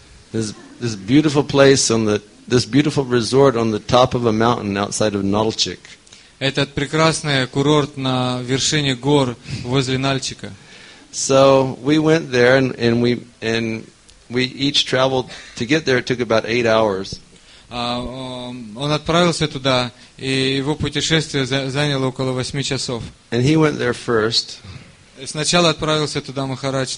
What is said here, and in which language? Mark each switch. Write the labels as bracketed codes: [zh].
[en] This beautiful place on the This beautiful resort on the top of a mountain outside of Nalchik. [ru] Этот прекрасный курорт на вершине гор возле Нальчика. [en] So we went there and we each traveled to get there. It took about 8 hours. [ru] Он отправился туда, и его путешествие заняло около 8 часов. [en] And he went there first. [ru] Сначала отправился туда Махарадж.